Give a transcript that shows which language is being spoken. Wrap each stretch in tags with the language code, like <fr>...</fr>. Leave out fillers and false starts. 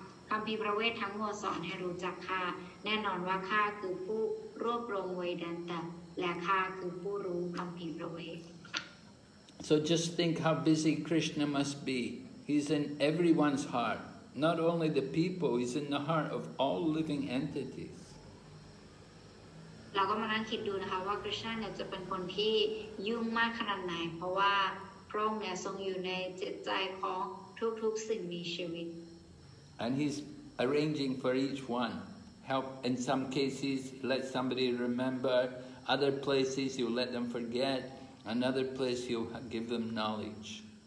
<th>คำพิพระเวททั้งหมดสอนให้รู้จักข้าแน่นอนว่าข้าคือผู้รวบรวมเวดันตะและข้าคือผู้รู้คำพิพระเวท</th> <en>So just think how busy Krishna must be. He's in everyone's heart. Not only the people, he's in the heart of all living entities.</en> <th>เราก็มานั่งคิดดูนะคะว่าคริสต์เนี่ยจะเป็นคนที่ยุ่งมากขนาดไหนเพราะว่าพระองค์เนี่ยทรงอยู่ในจิตใจของทุกๆสิ่งมีชีวิต</th> <en>And he's arranging for each one. Help in some cases, let somebody remember. Other places, you let them forget. Another place, you give them knowledge.</en>